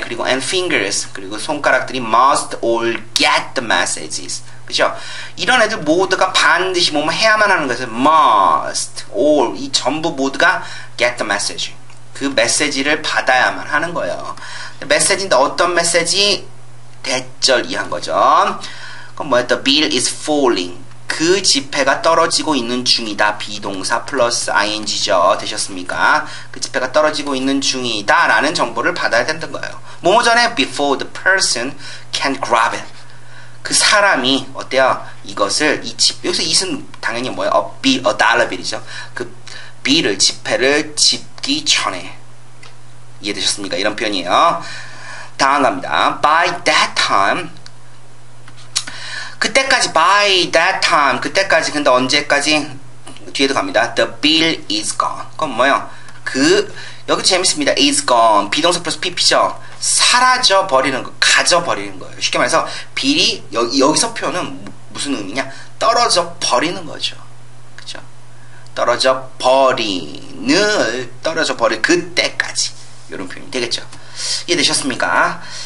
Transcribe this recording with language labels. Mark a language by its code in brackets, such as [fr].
[ko] 그리고 [en] and fingers. [ko] 그리고 손가락들이 [en] must all get the messages. [ko] 그죠? 이런 애들 모두가 반드시 뭐뭐 해야만 하는 것은 [en] must all [ko] 이 전부 모두가 [en] get the message [ko] 그 메시지를 받아야만 하는 거예요. 메시지인데 어떤 메시지? 대절 이한 거죠. 그럼 뭐야? [en] The bill is falling. [ko] 그 지폐가 떨어지고 있는 중이다. 비동사 플러스 ing죠. 되셨습니까? 그 지폐가 떨어지고 있는 중이다라는 정보를 받아야 된다는 거예요. 뭐뭐 전에 [en] before the person can grab it. [ko] 그 사람이 어때요? 이것을 이 지, 여기서 is은 당연히 뭐예요? [en] a dollar bill이죠. [ko] 그 bill을 지폐를 집기 전에 이해되셨습니까? 이런 표현이에요. 다음 갑니다. [en] By that time [ko] 그때까지 [en] by that time 그때까지 [ko] 근데 언제까지? 뒤에도 갑니다. [en] The bill is gone. [ko] 그건 뭐예요? 그 여기 재밌습니다. [en] is gone [ko] 비동사 플러스 pp죠. 사라져 버리는 거, 가져 버리는 거예요. 쉽게 말해서 비리 여기서 표현은 무슨 의미냐? 떨어져 버리는 거죠. 그죠? 떨어져 버리는 떨어져 버릴 그때까지 이런 표현이 되겠죠. 이해되셨습니까?